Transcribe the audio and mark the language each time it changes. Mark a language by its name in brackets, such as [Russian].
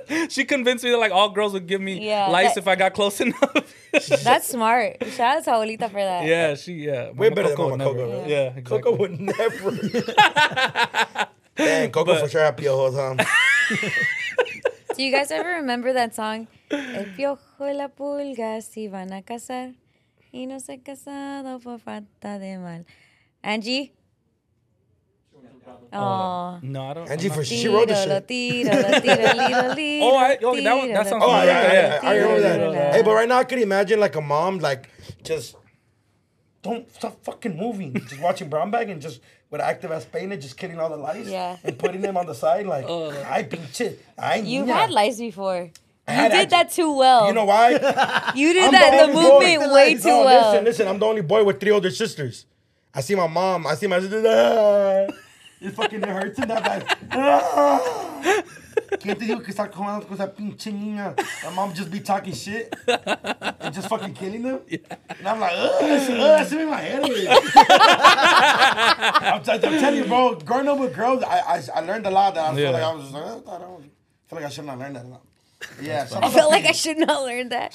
[English] She convinced me that, like, all girls would give me lice if I got close enough. That's smart. Shout out to Abuelita for that. Yeah, she, yeah. Way better than Coco. Yeah, exactly. Coco would never. Dang, Coco for sure had piojos, huh? Do you guys ever remember that song? [Spanish] El piojo y la pulga se iban a casar y no se casado por falta de mal. [English] Angie? Oh. No, I don't. Angie, for sure. She wrote the shit. Oh, that sounds good. Hey, but right now I could imagine, like, a mom, like, just don't stop fucking moving. Just watching Brown Bag and just with active ass pain and just killing all the lice and putting them on the side, like, I beat shit. You've had lice before. You did that too well. You know why? You did that, the movement, way too well. Listen, I'm the only boy with three older sisters. I see my mom. I see my sister. It fucking hurts in that bag. [Spanish] ¿Quién te dijo que está comiendo con esa pinche niña? [English] My mom just be talking shit. And just fucking killing them. Yeah. And I'm like, that's in my head. I'm telling you, bro. Growing up with girls, I learned a lot. That I feel like I was just like, I feel like I should not learn that. I feel like I should not learn that.